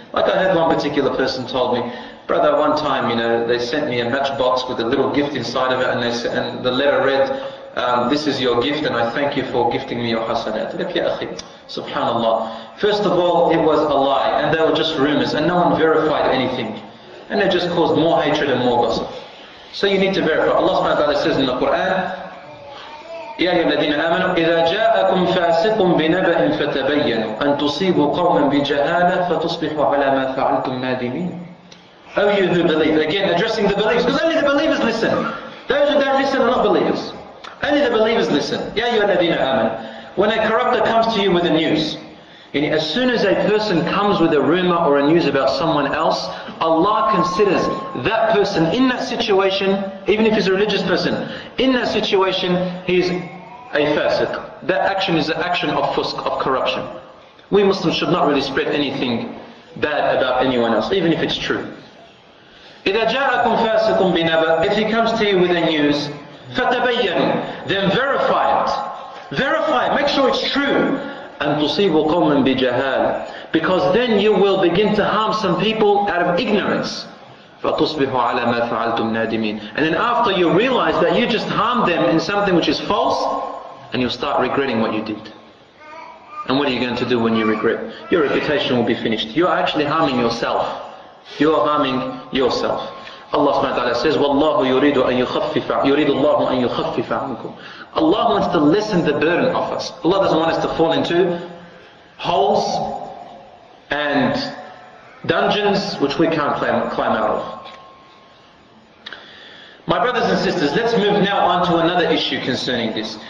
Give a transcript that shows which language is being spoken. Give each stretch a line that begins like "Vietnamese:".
English: Like I heard one particular person told me, brother, one time, you know, they sent me a matchbox with a little gift inside of it, and they said, and the letter read, this is your gift and I thank you for gifting me your hasanat. Subhanallah. First of all, it was a lie, and they were just rumors, and no one verified anything. And it just caused more hatred and more gossip. So you need to verify. Allah subhanahu wa ta'ala says in the Quran,
Arabic: يَا أَيُّهَا الَّذِينَ آمَنُوا إِذَا جَاءَكُمْ فَاسِقٌ بِنَبَإٍ فَتَبَيَّنُوا أَن تُصِيبُوا قَوْمًا بِجَهَالَةٍ فَتُصْبِحُوا عَلَى مَا فَعَلْتُمْ نَادِمِينَ.
English: Oh, you who believe. Again, addressing the believers. Because only the believers listen. Those who don't listen are not believers. Only the believers listen.
Arabic: يَا أَيُّهَا الَّذِينَ آمَنُوا.
English: When a corruptor comes to you with the news, and as soon as a person comes with a rumor or a news about someone else, Allah considers that person in that situation, even if he's a religious person, in that situation, he's a fasiq. That action is an action of fusk, of corruption. We Muslims should not really spread anything bad about anyone else, even if it's true.
Arabic: إِذَا جَاءَكُمْ فَاسِقٌ بِنَبَأٍ.
English: If he comes to you with a news,
Arabic: فَتَبَيَّنُ.
English: Then verify it. Verify it. Make sure it's true. And
Arabic: تُصِيبُ قَوْمًا بِجَهَالٍ.
English: Because then you will begin to harm some people out of ignorance.
Arabic: فَتُصْبِحُ عَلَى مَا فَعَلْتُمْ نَادِمِينَ.
English: And then after you realize that you just harmed them in something which is false, and you'll start regretting what you did. And what are you going to do when you regret? Your reputation will be finished. You're actually harming yourself. You're harming yourself. Allah subhanahu wa ta'ala says,
Arabic: وَاللَّهُ يُرِيدُ أَن يُخَفِّفَ يُرِيدُ اللَّهُ أَن يُخَفِّفَ عَنْكُمْ.
English: Allah wants to lessen the burden of us. Allah doesn't want us to fall into holes and dungeons which we can't climb out of. My brothers and sisters, let's move now on to another issue concerning this.